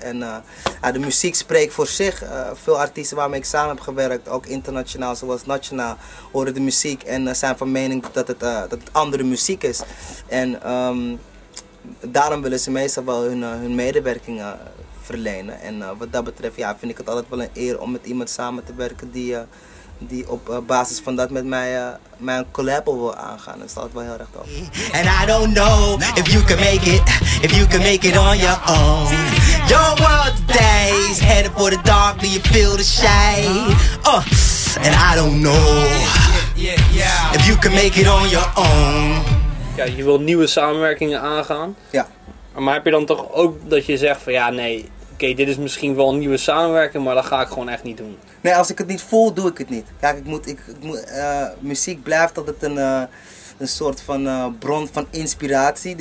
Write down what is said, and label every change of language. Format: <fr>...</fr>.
<nl>En de muziek spreekt voor zich. Veel artiesten waarmee ik samen heb gewerkt, ook internationaal zoals nationaal, horen de muziek en zijn van mening dat het andere muziek is. En... daarom willen ze meestal wel hun medewerking verlenen. En wat dat betreft ja, vind ik het altijd wel een eer om met iemand samen te werken die, die op basis van dat met mij mijn collab wil aangaan. Dat staat wel heel recht op.</nl> <en>And I don't know if you can make it, if you can make it on your own. Your world today is headed for the dark, do you feel the shade? And I don't know if you can make it on your own.</en> <nl>Ja, je wil nieuwe samenwerkingen aangaan. Ja. Maar heb je dan toch ook dat je zegt van ja, nee, oké, dit is misschien wel een nieuwe samenwerking, maar dat ga ik gewoon echt niet doen. Nee, als ik het niet voel, doe ik het niet. Kijk, muziek blijft altijd een soort van bron van inspiratie.</nl>